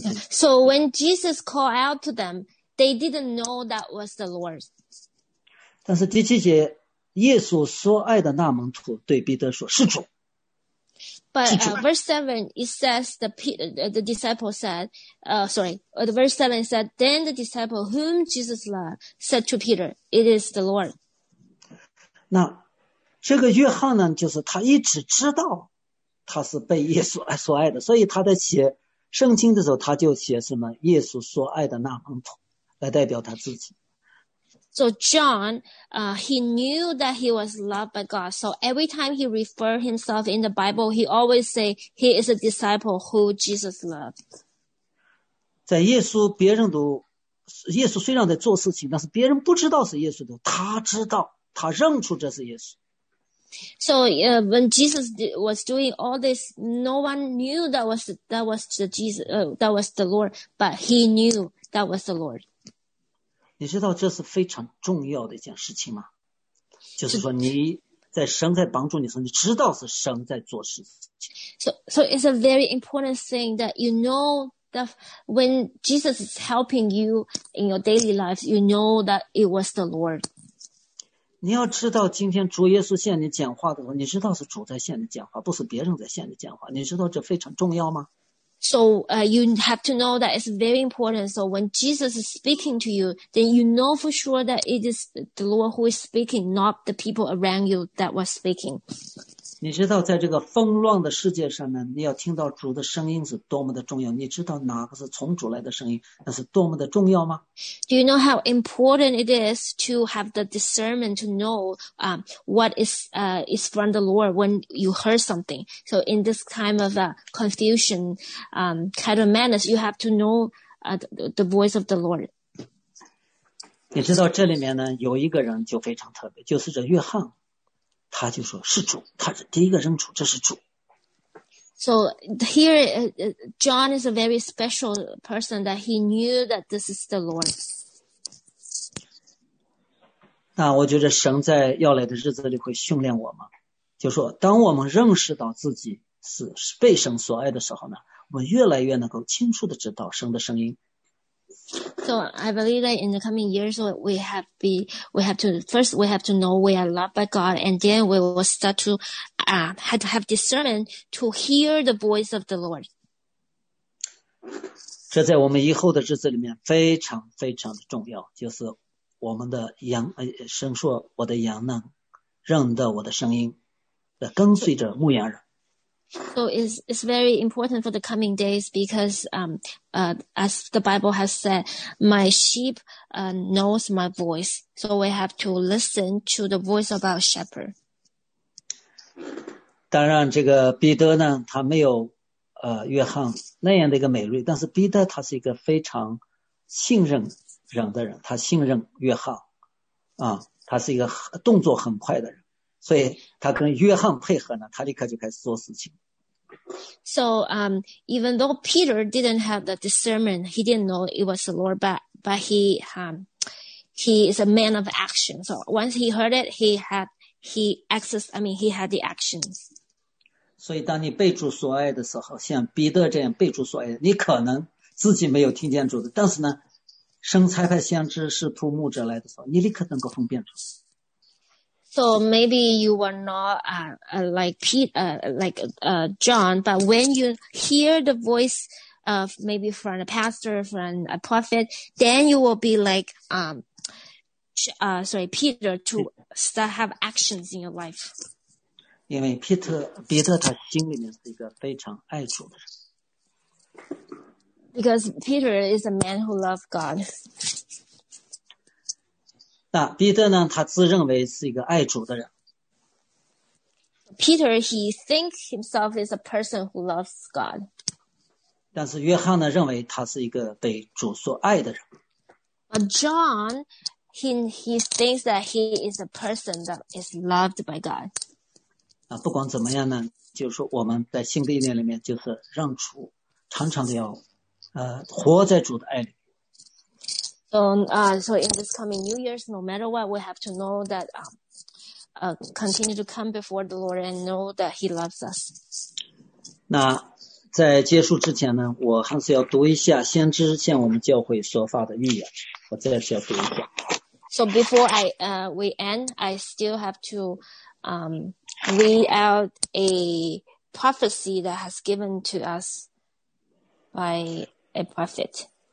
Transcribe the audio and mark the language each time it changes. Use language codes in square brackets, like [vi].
[en] So when Jesus called out to them, they didn't know that was the Lord. [zh] 但是第七节，耶稣所爱的那门徒对彼得说：“是主。” [en] But verse 7 it says the disciple said, verse 7 said, then the disciple whom Jesus loved said to Peter, "It is the Lord." [zh] 那这个约翰呢，就是他一直知道他是被耶稣所爱的，所以他在写圣经的时候，他就写什么耶稣所爱的那门徒来代表他自己。 [en] So John, he knew that he was loved by God. So every time he referred himself in the Bible, he always say he is a disciple who Jesus loved. [zh] 在耶稣，别人都，耶稣虽然在做事情，但是别人不知道是耶稣的，他知道，他认出这是耶稣。 [en] So when Jesus was doing all this, no one knew that was the Lord, but he knew that was the Lord. [zh] 你知道这是非常重要的一件事情吗？就是说你在神在帮助你的时候，你知道是神在做事情。 [en] So it's a very important thing that you know that when Jesus is helping you in your daily life, you know that it was the Lord. [zh] 你要知道今天主耶稣向你讲话的时候，你知道是主在向你讲话，不是别人在向你讲话。你知道这非常重要吗？ [en] So, you have to know that it's very important. So when Jesus is speaking to you, then you know for sure that it is the Lord who is speaking, not the people around you that was speaking. [zh] 你知道在这个纷乱的世界上呢，你要听到主的声音是多么的重要。你知道哪个是从主来的声音，那是多么的重要吗？ [en] Do you know how important it is to have the discernment to know, what is from the Lord when you heard something? So in this time of confusion, kind of madness, you have to know, the voice of the Lord. [zh] 你知道这里面呢，有一个人就非常特别，就是这约翰。他就说是主，他是第一个认出这是主。 [en] So here, John is a very special person that he knew that this is the Lord. [zh] 那我觉得神在要来的日子里会训练我们，就说当我们认识到自己是被神所爱的时候呢，我们越来越能够清楚地知道神的声音。 [en] So I believe that in the coming years, we have to know we are loved by God, and then we will start to have discernment to hear the voice of the Lord. [zh] 这在我们以后的日子里面非常非常的重要，就是我们的羊，神说我的羊呢，认得我的声音，跟随着牧羊人。 [en] So it's very important for the coming days because as the Bible has said, my sheep knows my voice. So we have to listen to the voice of our shepherd. [zh] 当然这个彼得呢他没有约翰那样的一个美丽，但是彼得他是一个非常信任人的人，他信任约翰啊，他是一个动作很快的人。所以他跟约翰配合呢，他立刻就开始做事情。 [en] So, even though Peter didn't have the discernment, he didn't know it was the Lord, but he is a man of action. So once he heard it, he had the actions. [zh] 所以当你被主所爱的时候，像彼得这样被主所爱，你可能自己没有听见主的，但是呢，神差派先知使徒牧者来的时候，你立刻能够分辨出。 [en] So maybe you were not like John, but when you hear the voice of maybe from a pastor, from a prophet, then you will be like Peter to start have actions in your life. [zh] 因为彼得他心里面是一个非常爱主的人。 [en] Because Peter is a man who loves God. [zh] 那彼得呢？他自认为是一个爱主的人。 [en] Peter, he thinks himself is a person who loves God. [zh] 但是约翰呢，认为他是一个被主所爱的人。 [en] But John, he thinks that he is a person that is loved by God. [zh] 那不管怎么样呢，就是说我们在新的一年里面，就是让主常常的要，活在主的爱里。 [en] So in this coming New Year's, no matter what, we have to know that continue to come before the Lord and know that He loves us. [zh] 那在结束之前呢，我还是要读一下先知向我们教会所发的预言。我再次要读一下。 [en] So before we end, I still have to read out a prophecy that has given to us by a prophet.